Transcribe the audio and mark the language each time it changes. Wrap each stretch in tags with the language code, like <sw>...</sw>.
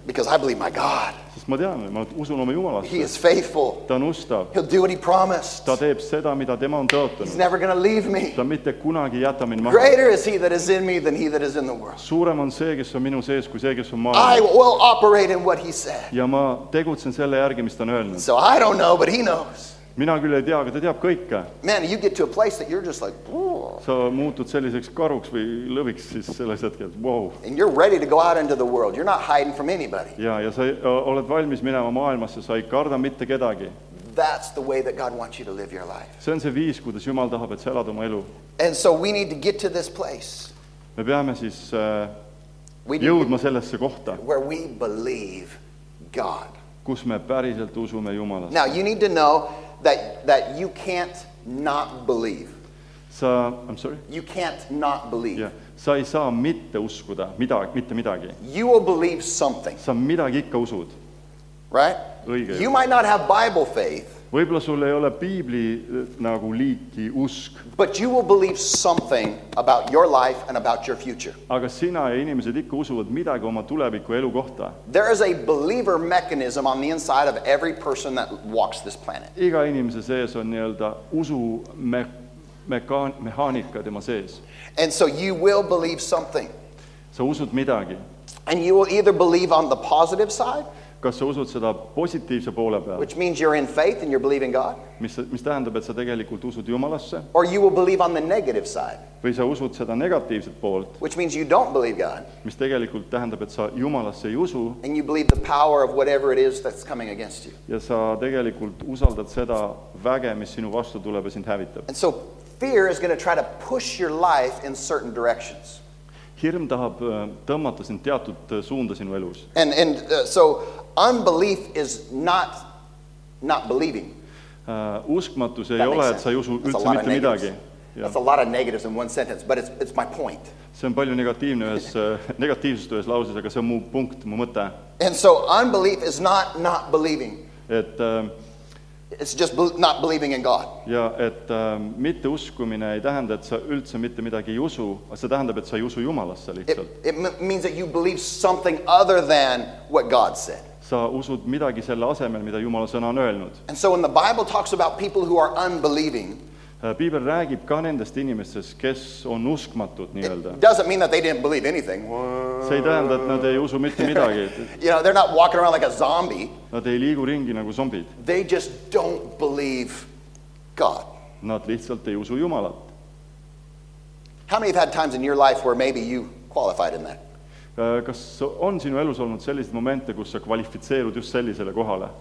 <en>Because I believe my God.</en> <et>Sest ma tean, ma usun oma Jumalasse.</et> <en>He is faithful.</en> <et>Ta on ustav.</et> <en>He'll do what he promised.</en> <et>Ta teeb seda, mida tema on tõotunud.</et> <en>He's never going to leave me.</en> <et>Ta mitte kunagi jäta mind maha.</et> <en>Greater is he that is in me than he that is in the world.</en> <et>Suurem on see, kes on minu sees, kui see, kes on maailmas.</et> <en>I will operate in what he said.</en> <et>Ja ma tegutsen selle järgi, mis ta on öelnud.</et> <en>So I don't know, but he knows.</en> <et>Mina küll ei tea, aga ta teab kõike.</et> <en>Man, you get to a place that you're just like, whoa.</en> <et>Sa muutud selliseks karuks või lõviks siis selles hetkel, wow.</et> <en>And you're ready to go out into the world. You're not hiding from anybody.</en> <et>Ja sa oled valmis minema maailmasse, sa ei karda mitte kedagi.</et> <en>That's the way that God wants you to live your life.</en> <et>See on see viis, kuidas Jumal tahab, et sa elad oma elu.</et> <en>And so we need to get to this place.</en> <et>Me peame siis jõudma sellesse kohta.</et> <en>Where we believe God.</en> <et>Kus me päriselt usume Jumalast.</et> <en>Now you need to know that you can't not believe. Sa, I'm sorry? You can't not believe.</en> <et>Yeah. Sa ei saa mitte uskuda mitte midagi.</et> <en>You will believe something.</en> <et>Sa midagi ikka usud.</et> <en>Right?</en> <et>Õige.</et> <en>You might not have Bible faith.</en> <et>Võibolla sul ei ole piibli nagu liiki usk.</et> <en>But you will believe something about your life and about your future.</en> <et>Aga sina ja inimesed ikka usuvad midagi oma tuleviku elu kohta.</et> <en>There is a believer mechanism on the inside of every person that walks this planet.</en> <et>Iga inimese sees on nii-öelda usu mehaanika tema sees.</et> <en>And so you will believe something.</en> <et>Sa usud midagi.</et> <en>And you will either believe on the positive side.</en> <et>Kas sa usud seda positiivse poole peal?</et> <en>Which means you're in faith and you're believing God.</en> <et>Mis tähendab, et sa tegelikult usud Jumalasse?</et> <en>Or you will believe on the negative side.</en> <et>Või sa usud seda negatiivset poolt?</et> <en>Which means you don't believe God.</en> <et>Mis tegelikult tähendab, et sa Jumalasse ei usu?</et> <en>And you believe the power of whatever it is that's coming against you.</en> <et>Ja sa tegelikult usaldad seda väge, mis sinu vastu tuleb ja sind hävitab.</et> <en>And so fear is going to try to push your life in certain directions.</en> <et>Hirm tahab tõmmata sind teatud suunda sinu elus.</et> <en>And so unbelief is not believing.</en> <et>Uskmatus ei ole, et sa ei usu üldse mitte midagi.</et> <en>That's a lot of negatives in one sentence, but it's my point.</en> <et>See on palju negatiivsest ühes lauses, aga see on mu punkt, mu mõte.</et> <en>And so unbelief is not believing.</en> <et>Et</et> <en>it's just not believing in God.</en> <et>Ja et mitte uskumine ei tähenda, et sa üldse mitte midagi ei usu, aga see tähendab, et sa ei usu Jumalasse lihtsalt.</et> <en>It means that you believe something other than what God said.</en> <et>Sa usud midagi selle asemel, mida Jumala sõna on öelnud.</et> <en>And so when the Bible talks about people who are unbelieving,</en> <et>Piibel räägib ka nendest inimestes, kes on uskmatud nii-öelda.</et> <en>It doesn't mean that they didn't believe anything.</en> <et>See ei tähenda, et nad ei usu mitte midagi.</et> <en>You know, they're not walking around like a zombie.</en> <et>Nad ei liigu ringi nagu zombid.</et> <en>They just don't believe God.</en> <et>Nad lihtsalt ei usu Jumalat.</et> <en>How many have had times in your life where maybe you qualified in that?</en> <et>Kas on sinu elus olnud sellised momente, kus sa kvalifitseerud just sellisele kohale?</et>